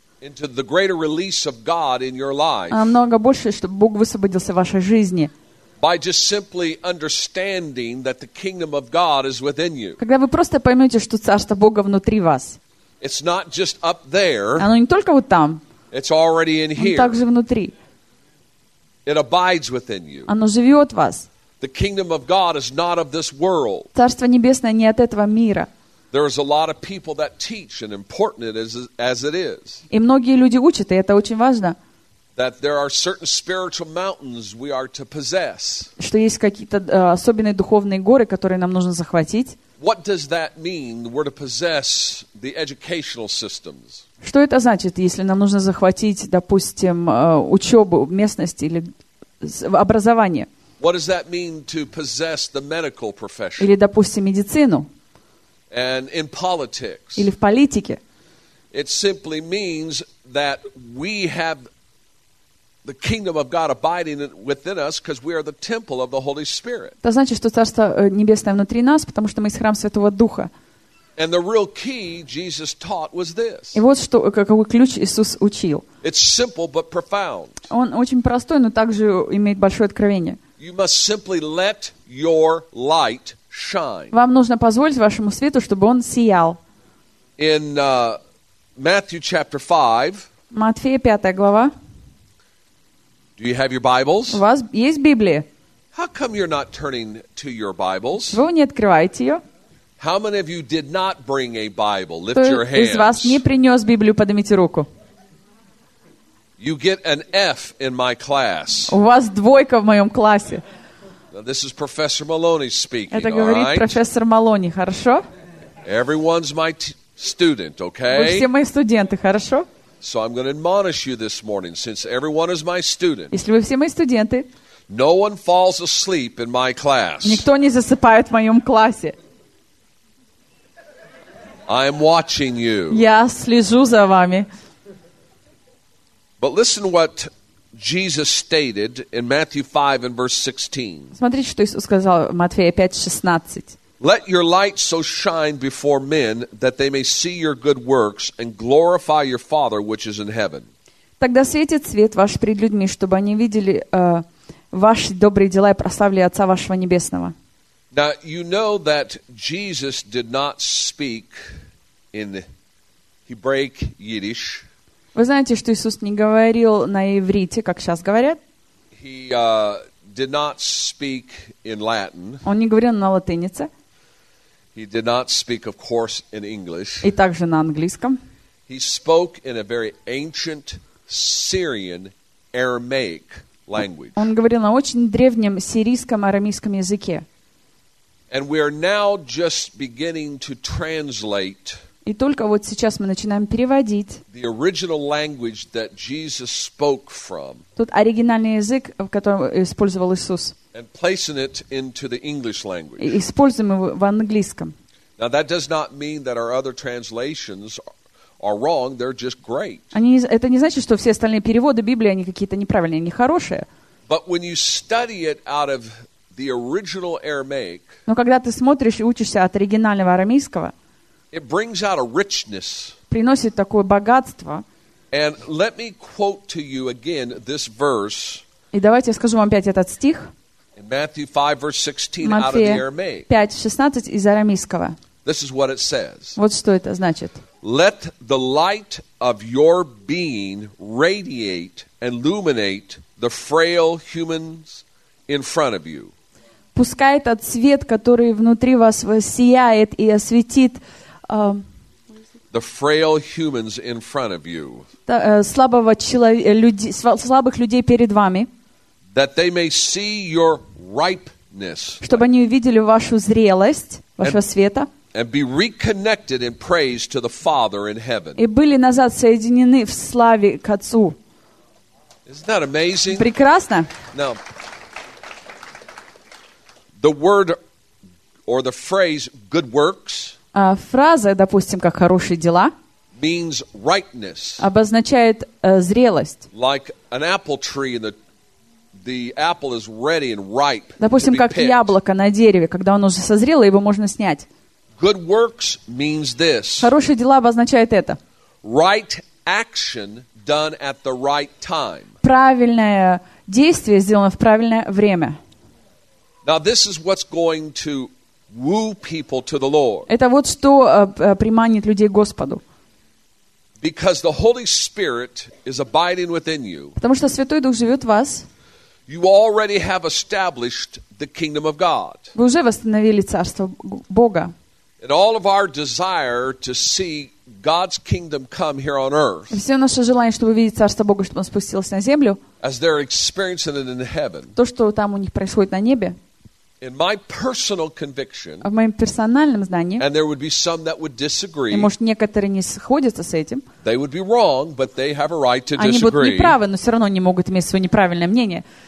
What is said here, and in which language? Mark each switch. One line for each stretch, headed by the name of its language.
English: Into the greater release of God in your life.
Russian: Намного больше, чтобы Бог высвободился в вашей жизни.
English: By just simply understanding that the kingdom of God is within you.
Russian: Когда вы просто поймете, что царство Бога внутри вас.
English: It's not just up there.
Russian: Оно не только вот там.
English: It's already in here.
Russian: Оно также внутри.
English: It abides within you.
Russian: Оно живет в вас.
English: The kingdom of God is not of this world.
Russian: Царство небесное не от этого мира.
English: There is a lot of people that teach, and important it is as it is.
Russian: И многие люди учат, и это очень важно.
English: That there are certain spiritual mountains we are to possess.
Russian: Что есть какие-то особенные духовные горы, которые нам нужно захватить.
English: What does that mean? We're to possess the educational systems.
Russian: Что это значит, если нам нужно захватить, допустим, учебу, местность или образование?
English: What does that mean to possess the medical profession?
Russian: Или, допустим, медицину?
English: And in politics.
Russian: Или в политике?
English: It simply means that we have the kingdom of God abiding within us because we are the temple of the Holy Spirit.
Russian: Это значит, что Царство Небесное внутри нас, потому что мы из храма Святого Духа.
English: And the real key Jesus taught was this.
Russian: И вот что, какой ключ Иисус учил.
English: It's simple but profound.
Russian: Он очень простой, но также имеет большое откровение.
English: You must simply let your light shine.
Russian: Вам нужно позволить вашему свету, чтобы он сиял.
English: In Matthew chapter 5.
Russian: Матфея 5 глава.
English: Do you have your Bibles?
Russian: У вас есть Библия?
English: How come you're not turning to your Bibles?
Russian: Вы не открываете ее?
English: How many of you did not bring a Bible? Lift your hands.
Russian: Кто из вас не принес Библию? Поднимите руку.
English: You get an F in my class.
Russian: У вас двойка в моем классе.
English: Now, this is Professor Maloney speaking.
Russian: Это говорит
English: all right?
Russian: Профессор Малони, хорошо?
English: Everyone's my student, okay?
Russian: Вы все мои студенты, хорошо?
English: So I'm going to admonish you this morning, since everyone is my student.
Russian: Если вы все мои студенты.
English: No one falls asleep in my class.
Russian: Никто не засыпает в моем классе.
English: I'm watching you.
Russian: Я слежу за вами.
English: But listen to what Jesus stated in Matthew 5 and verse 16.
Russian: Смотрите, что Иисус сказал в Матфея 5:16.
English: Let your light so shine before men that they may see your good works and glorify your Father which is in heaven.
Russian: Тогда светит свет ваш пред людьми, чтобы они видели ваши добрые дела и прославили Отца вашего небесного.
English: Now you know that Jesus did not speak in Hebraic Yiddish.
Russian: Вы знаете, что Иисус не говорил на иврите, как сейчас говорят?
English: He did not speak in Latin.
Russian: Он не говорил на латинице.
English: He did not speak, of course, in English.
Russian: И также на английском.
English: He spoke in a very ancient Syrian Aramaic language.
Russian: Он говорил на очень древнем сирийском арамейском языке.
English: And we are now just beginning to translate.
Russian: И только вот сейчас мы начинаем переводить.
English: The original language that Jesus spoke from.
Russian: Тот оригинальный язык, в котором использовал Иисус.
English: And placing it into the English language.
Russian: И используем его в английском.
English: Now that does not mean that our other translations are wrong. They're just great.
Russian: Они это не значит, что все остальные переводы Библии они какие-то неправильные, они хорошие.
English: But when you study it out of the original Aramaic.
Russian: Но когда ты смотришь и учишься от оригинального арамейского.
English: It brings out a richness.
Russian: Приносит такое богатство.
English: And let me quote to you again this verse.
Russian: И давайте я скажу вам опять этот стих.
English: In Matthew 5 verse 16 out of the Aramaic.
Russian: Матфея 5:16 из арамейского.
English: This is what it says.
Russian: Вот что это значит.
English: Let the light of your being radiate and illuminate the frail humans in front of you.
Russian: Пускай этот свет, который внутри вас сияет и осветит
English: the frail humans in front of you.
Russian: Слабых людей перед вами.
English: That they may see your ripeness.
Russian: Чтобы они увидели вашу зрелость, вашего света.
English: And be reconnected in praise to the Father in heaven.
Russian: И были назад соединены в славе к Отцу.
English: Isn't that amazing?
Russian: Прекрасно.
English: Now, the word or the phrase good works.
Russian: Фраза, допустим, как хорошие дела,
English: means ripeness,
Russian: обозначает зрелость.
English: Like an apple tree, and the apple is ready and ripe.
Russian: Допустим,
English: to be
Russian: как
English: picked.
Russian: Яблоко на дереве, когда оно уже созрело, его можно снять.
English: Good works means this.
Russian: Хорошие дела обозначает это.
English: Right action done at the right time.
Russian: Правильное действие сделано в правильное время.
English: Now this is what's going to woo people to the Lord.
Russian: Это вот что приманит людей к Господу.
English: Because the Holy Spirit is abiding within you.
Russian: Потому что Святой Дух живет в вас.
English: You already have established the kingdom of God.
Russian: Вы уже восстановили царство Бога.
English: And all of our desire to see God's kingdom come here on earth.
Russian: Все наше желание, чтобы увидеть царство Бога, чтобы оно спустилось на землю.
English: As they're experiencing it in heaven.
Russian: То, что там у них происходит на небе.
English: In my personal conviction,
Russian: в моем персональном знании,
English: and there would be some that would disagree,
Russian: и, может, некоторые не сходятся с этим,
English: they would be wrong, but they have a right to
Russian: они
English: disagree.
Russian: Будут неправы, но все равно они могут иметь свое неправильное мнение.